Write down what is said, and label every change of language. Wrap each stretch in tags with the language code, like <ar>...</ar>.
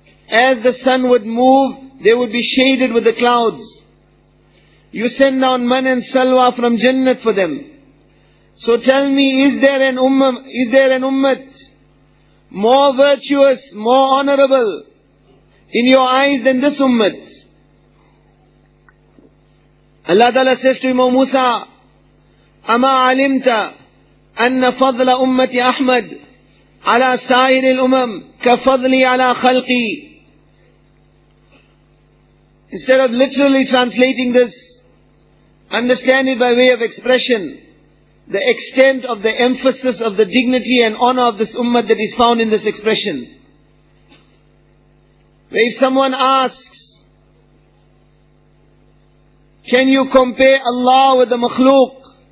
<en>As the sun would move, they would be shaded with the clouds. You send down man and salwa from Jannah for them. So tell me, is there an ummah more virtuous, more honorable in your eyes than this ummah? Allah Ta'ala says to him, O Musa,</en> <ar>أَمَا عَلِمْتَ أَنَّ فَضْلَ أُمَّةِ أَحْمَدْ عَلَى سَائِرِ الْأُمَمْ كَفَضْلِي عَلَى خَلْقِي.</ar> <en>Instead of literally translating this, understand it by way of expression, the extent of the emphasis of the dignity and honor of this ummah that is found in this expression. Where if someone asks, can you compare Allah with the makhluk?</en>